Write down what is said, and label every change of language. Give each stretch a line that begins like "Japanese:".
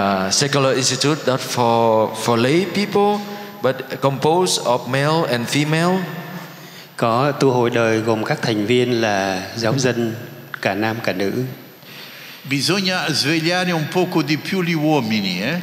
English: Secular institute that for lay people, but composed of male and female.
Vietnamese: Có tu hội đời gồm các thành viên là giáo dân cả nam cả nữ.
Italian: Bisogna svegliare un poco di più gli uomini,